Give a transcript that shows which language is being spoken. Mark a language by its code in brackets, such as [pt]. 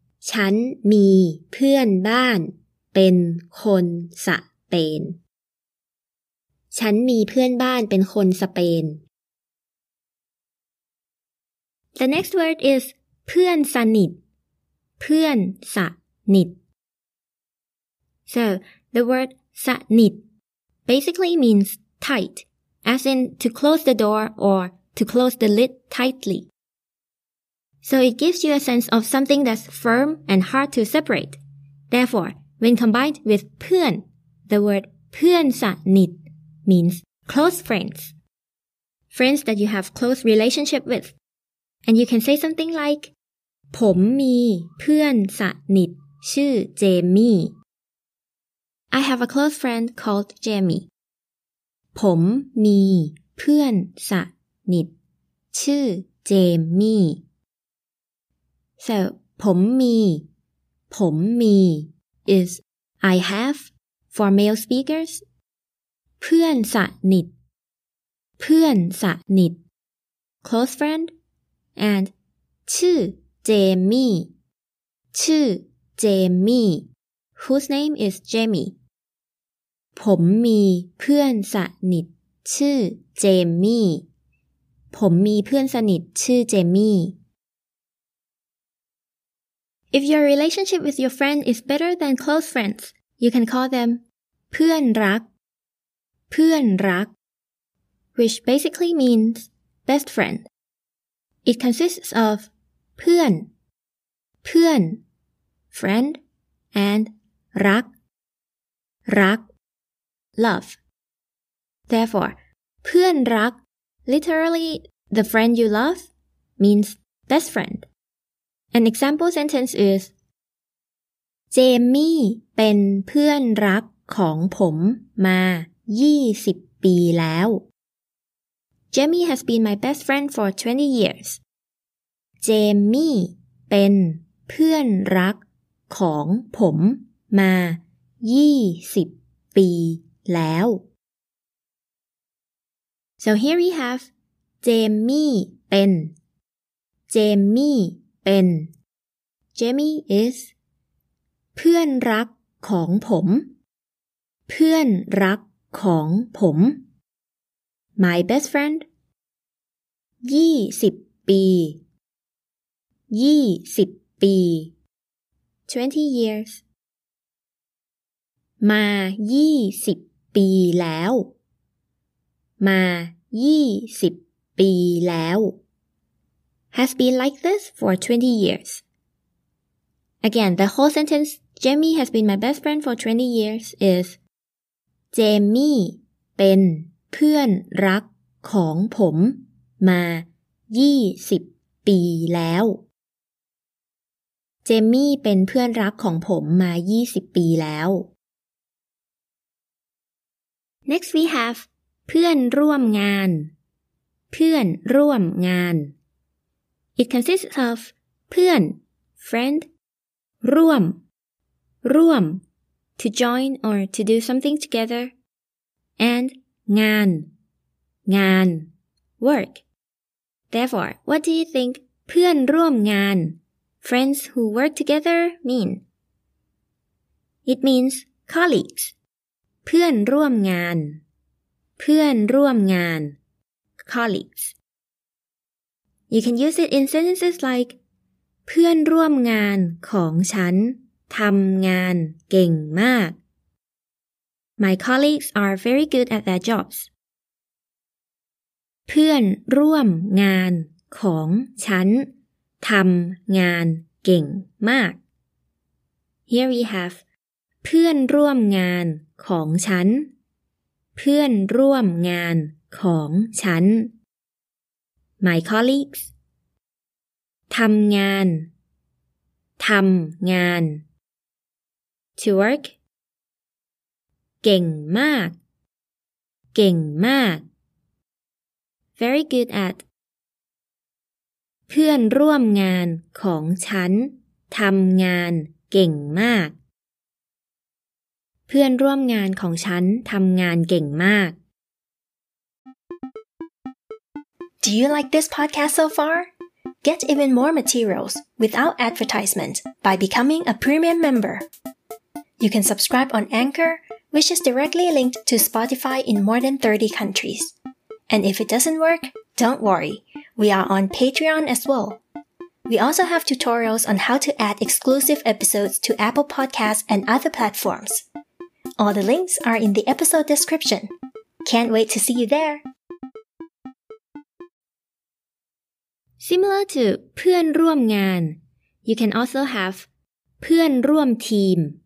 [th] ฉันมีเพื่อนบ้านเป็นคนสเปนฉันมีเพื่อนบ้านเป็นคนสเปน [en] The next word is เพื่อนสนิท [th] เพื่อนสนิท [en] So the word สนิท basically means tight as in to close the door or to close the lid tightlySo it gives you a sense of something that's firm and hard to separate, Therefore, when combined with เพื่อน, the word เพื่อนสนิท means close friends. Friends that you have close relationship with. And you can say something like, [th] ผมมีเพื่อนสนิทชื่อเจมี่ [en] I have a close friend called Jamie. [th] ผมมีเพื่อนสนิทชื่อเจมี่ [en] So, ผมมี is I have for male speakers. [th] เพื่อนสนิทเพื่อนสนิท [en] close friend and [th] ชื่อเจมี่ชื่อเจมี่ [en] whose name is Jamie [th] ผมมีเพื่อนสนิทชื่อเจมี่ผมมีเพื่อนสนิทชื่อเจมี่ [en] If your relationship with your friend is better than close friends you can call them [th] เพื่อนรักเพื่อนรัก [en] which basically means best friend. It consists of [th] เพื่อน, เพื่อน, [en] friend, and รัก, [th] รัก, [en] love. Therefore, เพื่อนรัก, literally the friend you love, means best friend. An example sentence is [th] เจมี่เป็นเพื่อนรักของผมมา20ปีแล้ว [en] Jamie has been my best friend for 20 years. [th] Jamie เป็นเพื่อนรักของผมมา20ปีแล้ว [en] So here we have [th] Jamie เป็น Jamie เป็น [en] Jamie is [th] เพื่อนรักของผมเพื่อนรักของผม [en] My best friend. [th] ยี่สิบปียี่สิบปี [en] 20 years [th] มายี่สิบปีแล้วมายี่สิบปีแล้ว [en] has been like this for 20 years again the whole sentence Jamie has been my best friend for 20 years is [th] Jamie เป็นเพื่อนรักของผมมายี่สิบปีแล้วเจมี่เป็นเพื่อนรักของผมมายี่สิบปีแล้ว [en] Next we have เพื่อนร่วมงาน [th] เพื่อนร่วมงาน [en] It consists of เพื่อน friend [th] ร่วม [en] ร่วม to join or to do something together and งาน [th] งาน [en] workTherefore, what do you think เพื่อนร่วมงาน friends who work together mean? It means colleagues. [th] เพื่อนร่วมงานเพื่อนร่วมงาน [en] colleagues. You can use it in sentences like [th] เพื่อนร่วมงานของฉันทำงานเก่งมาก [en] My colleagues are very good at their jobs [th] เพื่อนร่วมงานของฉันทำงานเก่งมาก [en] Here we have [th] เพื่อนร่วมงานของฉันเพื่อนร่วมงานของฉัน [en] My colleagues [th] ทำงานทำงาน [en] To work [th] เก่งมากเก่งมาก [en] very good at [th] เพื่อนร่วมงานของฉันทำงานเก่งมาก เพื่อนร่วมงานของฉันทำงานเก่งมาก [en] Do you like this podcast so far? Get even more materials without advertisement by becoming a premium member. You can subscribe on Anchor, which is directly linked to Spotify in more than 30 countriesAnd if it doesn't work, don't worry. We are on Patreon as well. We also have tutorials on how to add exclusive episodes to Apple Podcasts and other platforms. All the links are in the episode description. Can't wait to see you there! Similar to เพื่อนร่วมงาน, you can also have เพื่อนร่วมทีม